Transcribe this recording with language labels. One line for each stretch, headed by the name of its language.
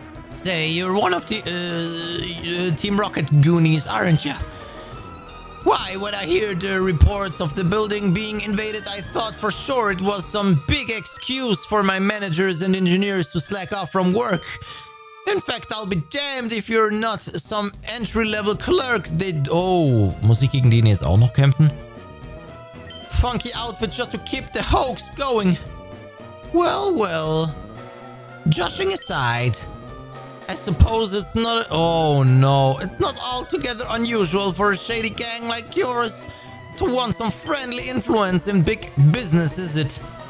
English: Say, you're one of the Team Rocket goonies, aren't you? Why, when I hear the reports of the building being invaded, I thought for sure it was some big excuse for my managers and engineers to slack off from work. In fact, I'll be damned if you're not some entry-level clerk that...
German: Oh, muss ich gegen den jetzt auch noch kämpfen?
English: Funky outfit just to keep the hoax going. Well, well. Joshing aside... I suppose it's not... Oh, no. It's not altogether unusual for a shady gang like yours to want some friendly influence in big business, is it?